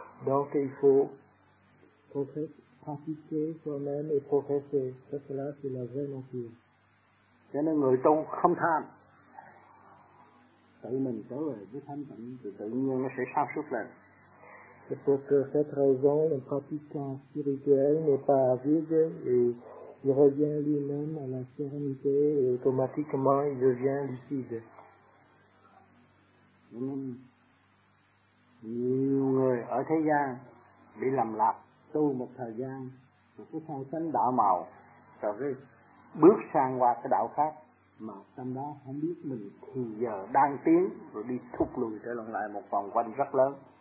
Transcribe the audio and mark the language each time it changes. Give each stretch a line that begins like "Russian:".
French: Donc il faut prophète. Pratiquer soi-même et progresser, ça cela c'est la vraie nature.
Vietnamese: Cho nên người tu không tham, tự mình trở về với thanh tịnh thì tự nhiên nó sẽ sáng suốt lên.
French: C'est pour que cette raison, un pratiquant spirituel n'est pas avide et il revient lui-même à la sérénité et automatiquement il devient lucide.
Vietnamese: Nhiều người ở thế gian bị lầm lạc. Tu một thời gian, một cái sao chánh đạo màu, rồi bước sang qua cái đạo khác, mà trong đó không biết mình thì giờ đang tiến, rồi đi thụt lùi trở lại một vòng quanh rất lớn.